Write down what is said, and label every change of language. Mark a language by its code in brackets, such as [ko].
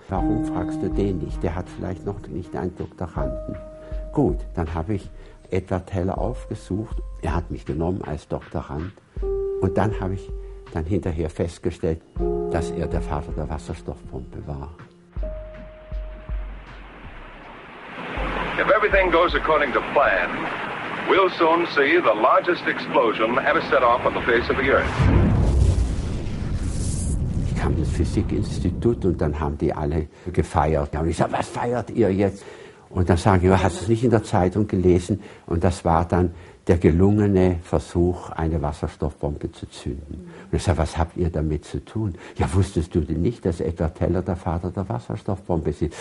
[de] Warum fragst du den nicht? Der hat vielleicht noch nicht einen Doktoranden. Gut, dann habe ich Edward Teller aufgesucht. Er hat mich genommen als Doktorand. Und dann habe ich dann hinterher festgestellt, dass er der Vater der Wasserstoffpumpe war. [en] If everything goes according to plan, we'll soon see the largest explosion ever set off on the face of the earth. [de] Ich kam ins Physikinstitut und dann haben die alle gefeiert. Und ich sage, was feiert ihr jetzt? Und dann sagen die, hast du es nicht in der Zeitung gelesen? Und das war dann der gelungene Versuch, eine Wasserstoffbombe zu zünden. Und ich sage, was habt ihr damit zu tun? Ja, wusstest du denn nicht, dass Edward Teller der Vater der Wasserstoffbombe ist?